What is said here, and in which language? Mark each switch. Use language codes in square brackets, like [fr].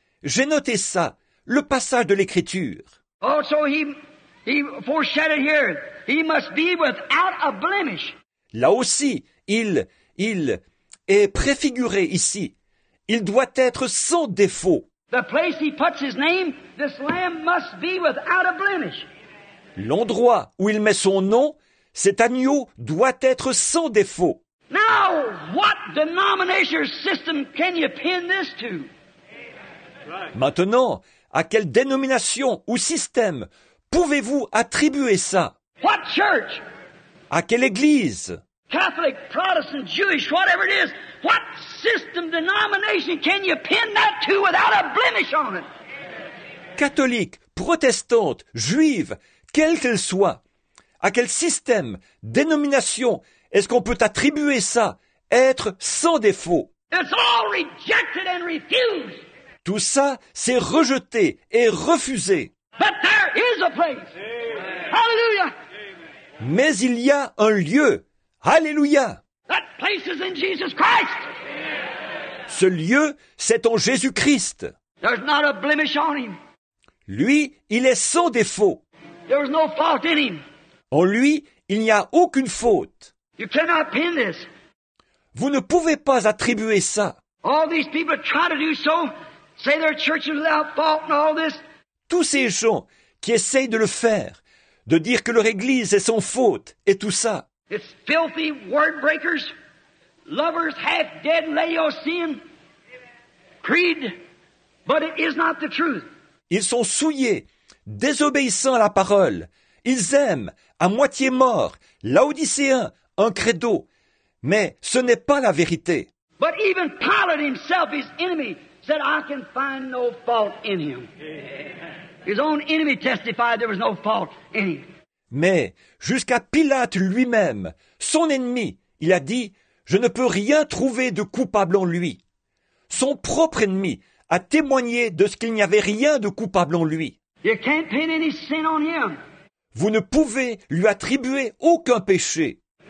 [fr] J'ai noté ça, le passage de l'Écriture. [en] Also, he foreshadowed here. He must be without a blemish. [fr] Là aussi, il est préfiguré ici. Il doit être sans défaut. [en] The place he puts his name, this lamb must be without a blemish. [fr] L'endroit où il met son nom, cet agneau doit être sans défaut. [en] Now, what denomination system can you pin this to? [fr] Maintenant, à quelle dénomination ou système pouvez-vous attribuer ça? [en] What church? [fr] À quelle église? [en] Catholic, Protestant, Jewish, whatever it is, what system, denomination can you pin that to without a blemish on it? [fr] Catholique, protestante, juive, quelle qu'elle soit, à quel système, dénomination, est-ce qu'on peut attribuer ça, être sans défaut? [en] It's all rejected and refused. [fr] Tout ça, c'est rejeté et refusé. [en] But there is a place. Amen. Hallelujah. Amen. [fr] Mais il y a un lieu. Hallelujah. [en] That place is in Jesus Christ. [fr] Ce lieu, c'est en Jésus-Christ. [en] There's not a blemish on him. [fr] Lui, il est sans défaut. [en] There's no fault in him. [fr] En lui, il n'y a aucune faute. [en] You cannot pin this. [fr] Vous ne pouvez pas attribuer ça. [en] All these people try to do so, say their church is without fault and all this. [fr] Tous ces gens qui essayent de le faire, de dire que leur église est sans faute et tout ça. [en] It's filthy word breakers, lovers half dead Laodicean creed, but it is not the truth. [fr] Ils sont souillés, désobéissant à la parole. Ils aiment, à moitié morts, laodicéens, un credo. Mais ce n'est pas la vérité. [en] But even Pilate himself, his enemy, said, I can find no fault in him. His own enemy testified there was no fault in him. [fr] Mais jusqu'à Pilate lui-même, son ennemi, il a dit, je ne peux rien trouver de coupable en lui. Son propre ennemi a témoigné de ce qu'il n'y avait rien de coupable en lui. [en] You can't pin any sin on him. [fr] Vous ne pouvez lui attribuer aucun péché.